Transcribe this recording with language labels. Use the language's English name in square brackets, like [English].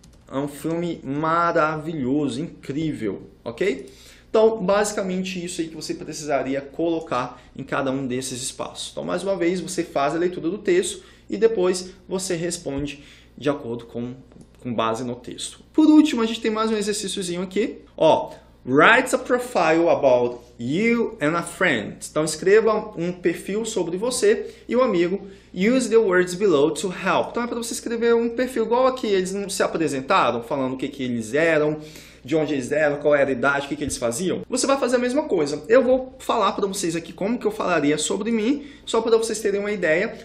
[Portuguese] É um filme maravilhoso, incrível, ok? Então, basicamente, isso aí que você precisaria colocar em cada um desses espaços. Então, mais uma vez, você faz a leitura do texto e depois você responde de acordo com base no texto. Por último, a gente tem mais um exercíciozinho aqui. [English] Ó, write a profile about you and a friend. [Portuguese] Então, escreva um perfil sobre você e o amigo. [English] Use the words below to help. [Portuguese] Então, é para você escrever um perfil igual aqui. Eles não se apresentaram, falando o que eles eram, de onde eles eram, qual era a idade, o que eles faziam. Você vai fazer a mesma coisa. Eu vou falar para vocês aqui como que eu falaria sobre mim, só para vocês terem uma ideia.